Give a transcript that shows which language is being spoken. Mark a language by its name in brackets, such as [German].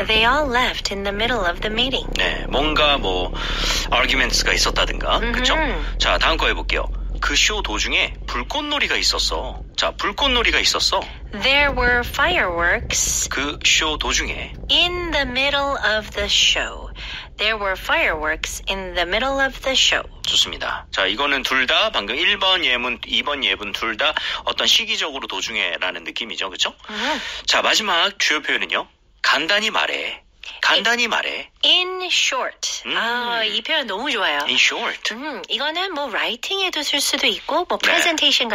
[English] They all left in the middle of the meeting. [Korean] 네, 뭔가 뭐 arguments가 있었다든가. Mm-hmm. 그렇죠? 자, 다음 거 해볼게요. 그 쇼 도중에 불꽃놀이가 있었어. 자, 불꽃놀이가 있었어. [English] There were fireworks. [Korean] 그 쇼 도중에. [English] In the middle of the show. There were fireworks in the middle of the show. [Korean] 좋습니다. 자, 이거는 둘 다 방금 1번 예문, 2번 예문 둘 다 어떤 시기적으로 도중에라는 느낌이죠. 그렇죠? 자, 마지막 주요 표현은요. 간단히 말해. 간단히 말해. [English] In short. [Korean] 이 표현 너무 좋아요. [English] In short. [Korean] 이거는 뭐 라이팅에도 쓸 수도 있고 뭐 프레젠테이션 네.